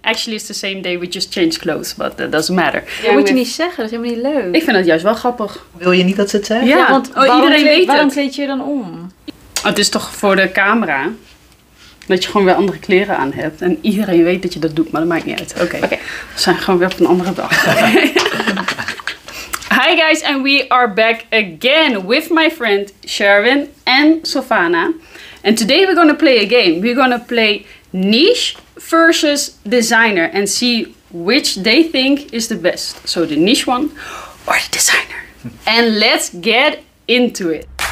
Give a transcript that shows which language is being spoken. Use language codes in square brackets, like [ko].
[en] Actually, it's the same day, we just changed clothes, but that doesn't matter. [nl] Ja, moet je niet zeggen, dat is helemaal niet leuk. Ik vind dat juist wel grappig. Wil je niet dat ze het zeggen? Ja, ja, want waarom kleed je dan om? Het is toch voor de camera, dat je gewoon weer andere kleren aan hebt. En iedereen weet dat je dat doet, maar dat maakt niet uit. Oké, okay. We zijn gewoon weer op een andere dag. [en] Hi guys, and we are back again with my friend Sherwin en Sofana. And today we're going to play a game. We're going to play niche versus designer and see which they think is the best. So the niche one or the designer. And let's get into it.